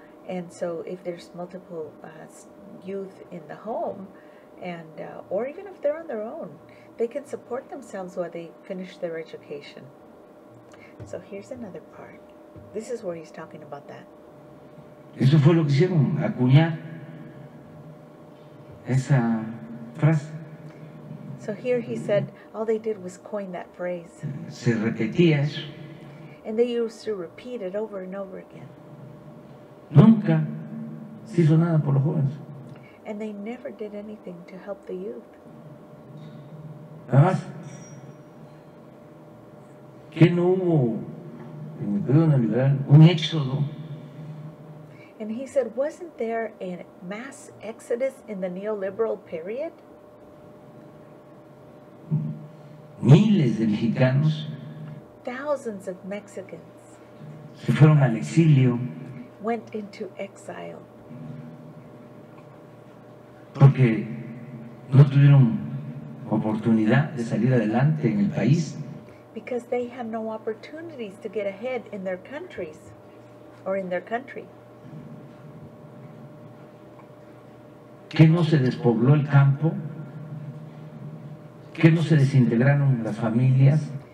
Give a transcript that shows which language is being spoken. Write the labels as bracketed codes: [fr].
[en] And so if there's multiple youth in the home, and or even if they're on their own, they can support themselves while they finish their education. So here's another part. This is where he's talking about that. [es] Eso fue lo que hicieron, acuñar esa frase. [en] So here he said all they did was coin that phrase. [es] Se repetía eso. [en] And they used to repeat it over and over again. [es] Nunca se hizo nada por los jóvenes. [en] And they never did anything to help the youth. [es] Además, que no hubo en el periodo neoliberal un éxodo. [en] And he said, wasn't there a mass exodus in the neoliberal period? [es] Miles de mexicanos. [en] Thousands of Mexicans. [es] Se fueron al exilio. [en] Went into exile. [es] Porque no tuvieron oportunidad de salir adelante en el país. [en] Because they had no opportunities to get ahead in their countries or in their country. [es] Que no se despobló el campo. Que no se desintegraron las familias.